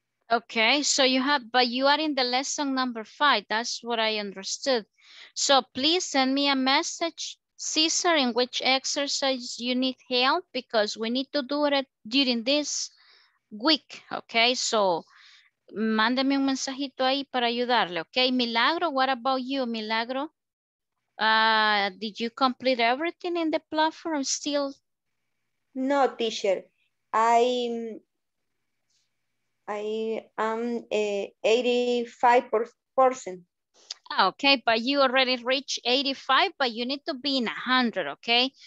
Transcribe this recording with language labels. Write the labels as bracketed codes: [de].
[en] Okay, so you have, but you are in the lesson number 5. That's what I understood. So please send me a message, Cesar, in which exercise you need help, because we need to do it during this week, okay? [es] So, mándeme un mensajito ahí para ayudarle, okay? [en] Milagro, what about you, Milagro? Did you complete everything in the platform still? No, teacher. I am 85%. Okay, but you already reached 85, but you need to be in 100, okay?